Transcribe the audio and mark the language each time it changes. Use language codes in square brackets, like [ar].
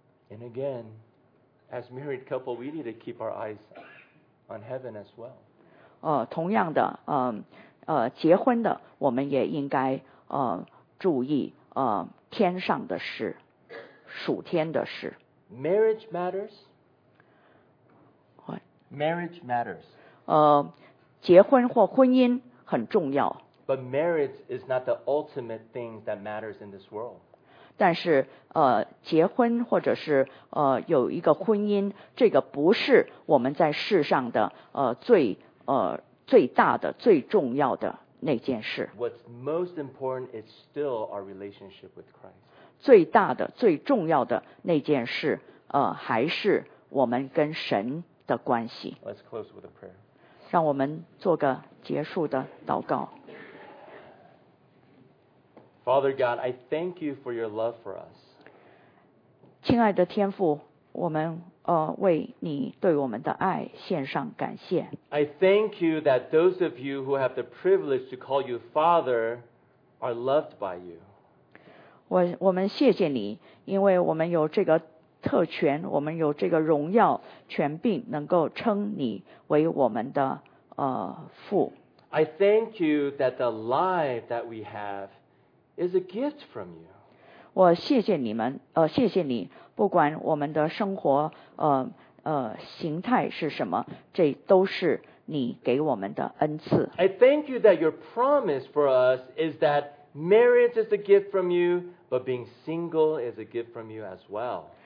[en] And again, as married couple, we need to keep our eyes on heaven as well. [zh] 同样的，结婚的，我们也应该注意天上的事。属天的事。 [en] Marriage matters. What? Marriage matters. [zh] 结婚或婚姻很重要。 [en] But marriage is not the ultimate thing that matters in this world. [zh] 但是结婚或者是有一个婚姻，这个不是我们在世上的最大的最重要的那件事。 [en] What's most important is still our relationship with Christ. [zh] 最大的最重要的那件事还是我们跟神的关系。 [en] Let's close with a prayer. [zh] 让我们做个结束的祷告。 [en] Father God, I thank you for your love for us. [zh] 亲爱的天父，我们为你对我们的爱献上感谢。 [en] I thank you that those of you who have the privilege to call you Father are loved by you. [zh] 我们谢谢你，因为我们有这个特权，我们有这个荣耀权柄，能够称你为我们的父。 [en] I thank you that the life that we have is a gift from you. [zh] 我谢谢你们，谢谢你，不管我们的生活形态是什么，这都是你给我们的恩赐。 [en] I thank you that your promise for us is that marriage is a gift from you, but being single is a gift from you as well.